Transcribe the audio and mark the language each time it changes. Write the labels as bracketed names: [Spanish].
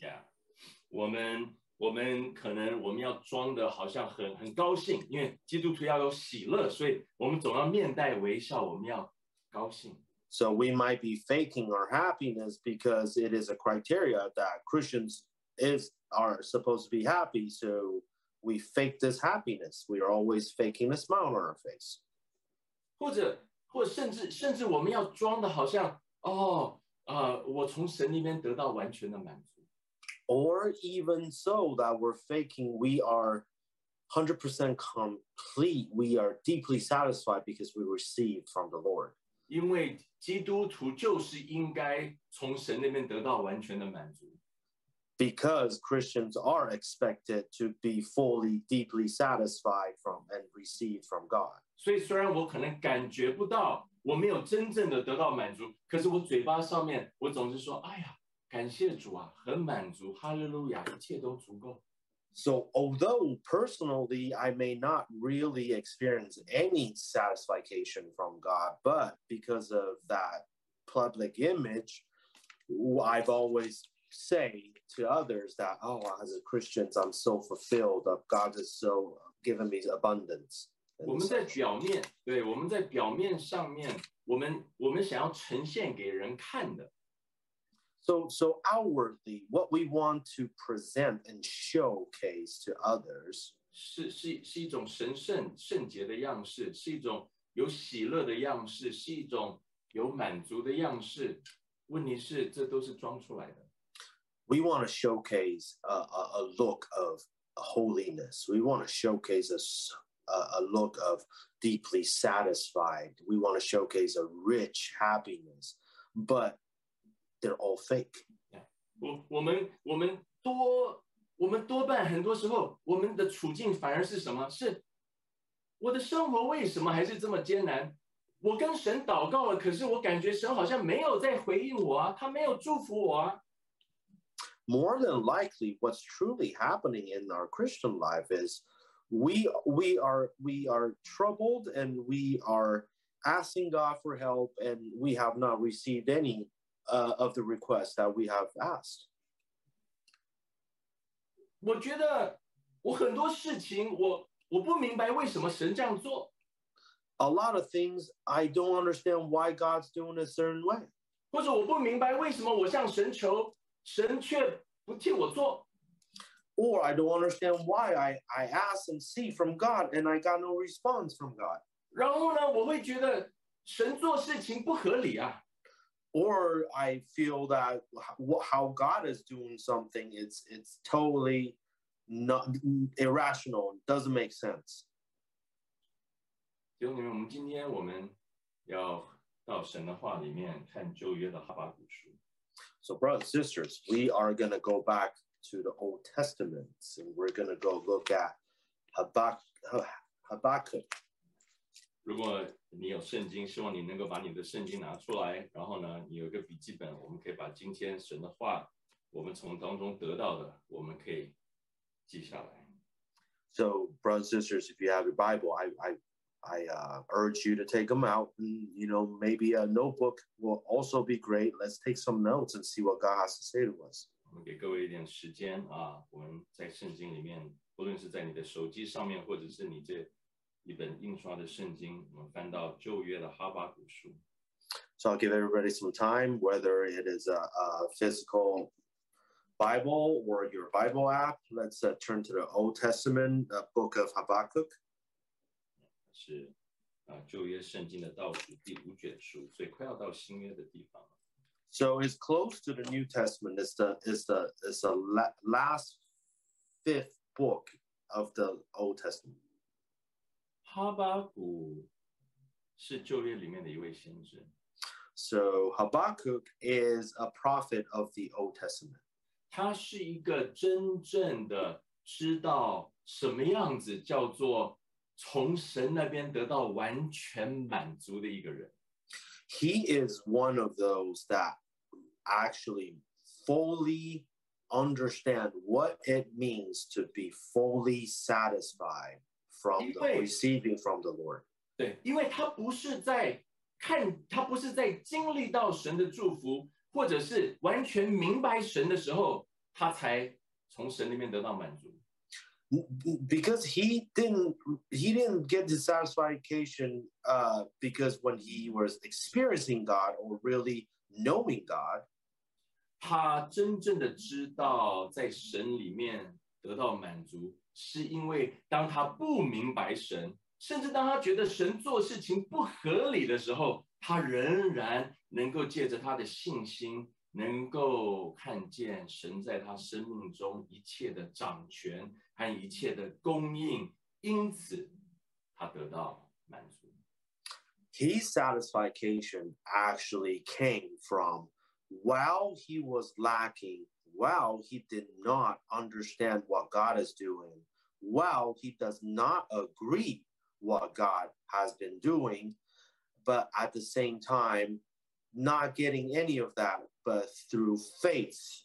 [Chinese] Yeah, 我们可能我们要装得好像很高兴，因为基督徒要有喜乐，所以我们总要面带微笑，我们要高兴。 [English] So we might be faking our happiness because it is a criteria that Christians are supposed to be happy, so we fake this happiness. We are always faking a smile on our face. [Chinese] 或者甚至我们要装的好像哦，我从神里面得到完全的满足。 [English] Or even so, that we're faking, we are 100% complete. We are deeply satisfied because we received from the Lord. [Chinese] 因为基督徒就是应该从神那边得到完全的满足。 [English] Because Christians are expected to be fully, deeply satisfied from and received from God. [Chinese] 所以虽然我可能感觉不到我没有真正的得到满足，可是我嘴巴上面我总是说，哎呀，感谢主啊，很满足，哈利路亚，一切都足够。 [English] So although personally I may not really experience any satisfaction from God, but because of that public image, I've always say to others that, oh, as a Christian, I'm so fulfilled, God has so given me abundance. [Chinese] 我们在表面，对，我们在表面上面，我们想要呈现给人看的。 [English] So outwardly, what we want to present and showcase to others [Chinese] 是一种神圣圣洁的样式，是一种有喜乐的样式，是一种有满足的样式。问题是，这都是装出来的。 [English] We want to showcase a look of holiness. We want to showcase a, a look of deeply satisfied. We want to showcase a rich happiness, but they're all fake. Yeah. [Chinese] 我们多半很多时候我们的处境反而是什么？是我的生活为什么还是这么艰难？我跟神祷告了，可是我感觉神好像没有在回应我啊，他没有祝福我啊。 [English] More than likely, what's truly happening in our Christian life is we are troubled and we are asking God for help and we have not received any of the requests that we have asked. [Chinese] 我觉得我很多事情我不明白为什么神这样做。 [English] A lot of things, I don't understand why God's doing a certain way. [Chinese] 或者我不明白为什么我向神求神却不替我做。 [English] Or I don't understand why I ask and see from God and I got no response from God. [Chinese] 然后呢我会觉得神做事情不合理啊。 [English] Or I feel that how God is doing something, it's totally not irrational, doesn't make sense. [Chinese] 弟兄姊妹，我们今天我们要到神的话里面看旧约的哈巴谷书。 [English] So brothers and sisters, we are going to go back to the Old Testament, and we're going to go look at Habakkuk. [Chinese] 如果你有圣经，希望你能够把你的圣经拿出来，然后呢，你有一个笔记本，我们可以把今天神的话，我们从当中得到的，我们可以记下来。 [English] So brothers and sisters, if you have your Bible, I urge you to take them out, and you know, maybe a notebook will also be great. Let's take some notes and see what God has to say to us. [Chinese] 我们给各位一点时间啊，我们在圣经里面，不论是在你的手机上面，或者是你这一本印刷的圣经，我们翻到旧约的哈巴谷书。 [English] So I'll give everybody some time, whether it is a physical Bible or your Bible app. Let's turn to the Old Testament, the book of Habakkuk. [Chinese] 是旧约圣经的倒数第五卷书，所以快要到新约的地方了。 [English] So it's close to the New Testament. It's the last fifth book of the Old Testament. [Chinese] 哈巴谷是旧约里面的一位先知。 [English] So Habakkuk is a prophet of the Old Testament. [Chinese] 他是一个真正的知道什么样子叫做从神那边得到完全满足的一个人。 [English] He is one of those that actually fully understand what it means to be fully satisfied from receiving from the Lord. [Chinese] 对，因为他不是在看，他不是在经历到神的祝福，或者是完全明白神的时候，他才从神那边得到满足。 [English] Because he didn't get the satisfaction because when he was experiencing God or really knowing God, [Chinese] 他真正的知道在神里面得到满足，是因为当他不明白神，甚至当他觉得神做事情不合理的时候，他仍然能够借着他的信心，能够看见神在他生命中一切的掌权和一切的供应，因此他得到满足。 [English] His satisfaction actually came from while he was lacking, while he did not understand what God is doing, while he does not agree what God has been doing, but at the same time not getting any of that, but through faith